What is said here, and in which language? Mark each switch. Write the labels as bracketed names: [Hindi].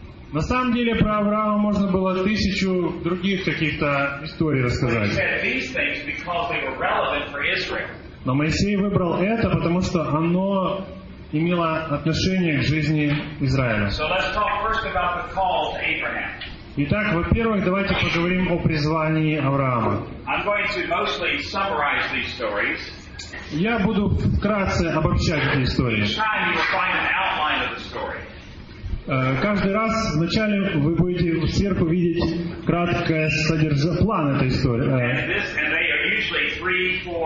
[Russian] На самом деле про Авраама можно было тысячу других каких-то историй рассказать. Но Моисей выбрал это, потому что оно имела отношение к жизни Израиля. [English] So let's talk first about the call to Abraham. [Russian] Итак, во-первых, давайте поговорим о призвании Авраама. [English] I'm going to mostly summarize these stories. [Russian] Я буду вкратце обобщать эти истории. [English] Each time you will find an outline of the story. [Russian] Каждый раз вначале вы будете сверху видеть краткое содержание плана этой истории.